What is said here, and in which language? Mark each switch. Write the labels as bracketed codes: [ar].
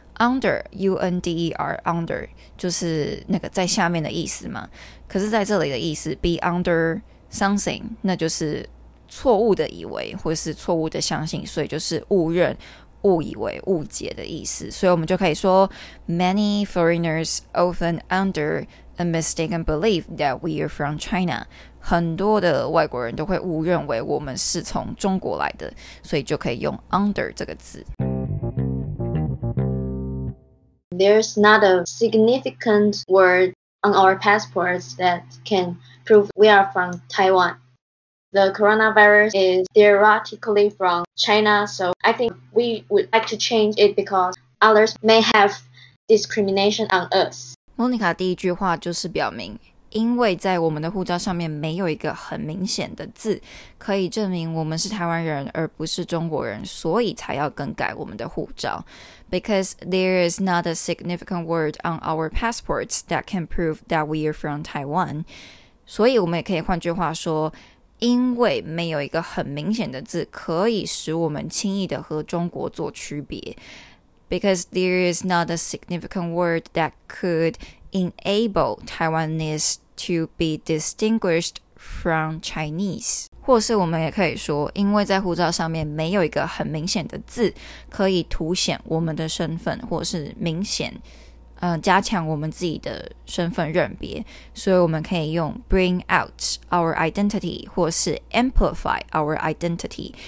[zh] Under, U-N-D-E-R, under 就是那个在下面的意思嘛，可是在这里的意思 [en] be under something [zh] 那就是错误的以为或是错误的相信，所以就是误认、误以为、误解的意思。所以我们就可以说 [en] Many foreigners often under a mistaken belief that we are from China. [zh] 很多的外国人都会误认为我们是从中国来的，所以就可以用 under 这个字。 [en] There's not a significant word on our passports that can prove we are from Taiwan. The coronavirus is theoretically from China, so I think we would like to change it because others may have discrimination on us. [zh] Monica 第一句话就是表明因为在我们的护照上面没有一个很明显的字可以证明我们是台湾人而不是中国人，所以才要更改我们的护照。 [en] Because there is not a significant word on our passports that can prove that we are from Taiwan. [zh] 所以我们也可以换句话说，因为没有一个很明显的字可以使我们轻易的和中国做区别。 [en] Because there is not a significant word that couldenable Taiwanese to be distinguished from Chinese. [zh] 或是我们也可以说因为在护照上面没有一个很明显的字可以凸显我们的身份或是明显、加强我们自己的身份认别，所以我们可以用 [en] bring out our identity [zh] 或是 [en] amplify our identity.